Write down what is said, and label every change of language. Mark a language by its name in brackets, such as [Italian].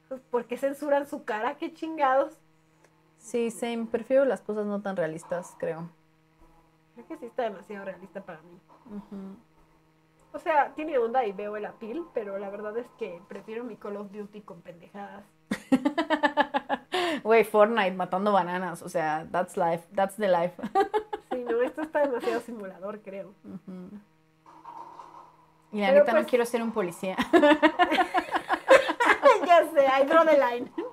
[Spanish] Porque censuran su cara, qué chingados. Sí, [English] same. [Spanish] Prefiero las cosas no tan realistas, creo. Creo que sí está demasiado realista para mí. O sea, tiene onda y veo el appeal, pero la verdad es que prefiero mi Call of Duty con pendejadas. Güey, Fortnite matando bananas, o sea, [English] that's life, that's the life. [Spanish] Sí, no, esto está demasiado simulador, creo. Y la neta, pues, no quiero ser un policía. Ya sé, [English] I draw the line.